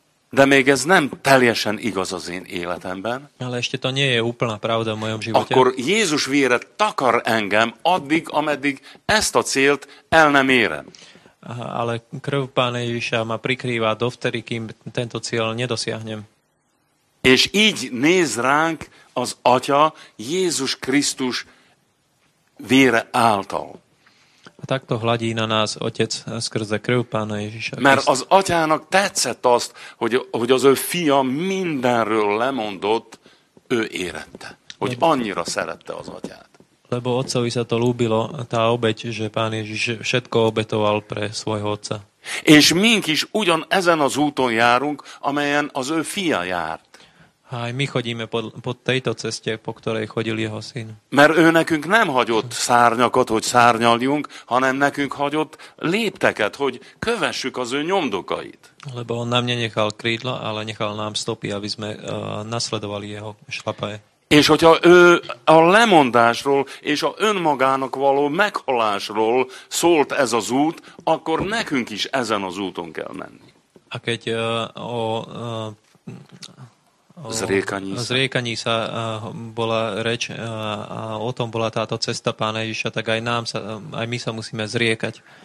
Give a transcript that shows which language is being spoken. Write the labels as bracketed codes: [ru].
[hu] De még ez nem teljesen igaz az én életemben. [sk] Ale ešte to nie je úplná pravda v mojom živote. [hu] Akkor Jézus vére takar engem addig, ameddig ezt a célt el nem érem. [sk] Ale krv Pána Ježiša ma prikrýva dovtedy, kým tento cieľ nedosiahnem. [hu] És így néz ránk az Atya Jézus Krisztus vére által. [sk] A takto hladí na nás Otec skrze krv Pána Ježiša. [hu] Mert az Atyának tetszett azt, hogy az ő fia mindenről lemondott, ő érette. Hogy annyira szerette az Atyát. [sk] Lebo otcovi sa to ľúbilo, tá obeť, že Pán Ježiš všetko obetoval pre svojho otca. [hu] És mink is ugyan ezen az úton járunk, amelyen az ő fia járt. [sk] Aj my chodíme po tejto ceste, po ktorej chodil jeho syn. [hu] Mert ő nekünk nem hagyott szárnyakat, hogy szárnyaljunk, hanem nekünk hagyott lépteket, hogy kövessük az ő nyomdokait. [sk] Lebo on nám nenechal krídla, ale nechal nám stopy, aby sme nasledovali jeho šlapaje. [hu] És hogyha ő a lemondásról és a önmagának való meghalásról szólt ez az út, akkor nekünk is ezen az úton kell menni. [sk] A keď o zriekaní sa bola reč, o tom bola táto cesta Pána Ježiša, tak aj my sa musíme zriekať.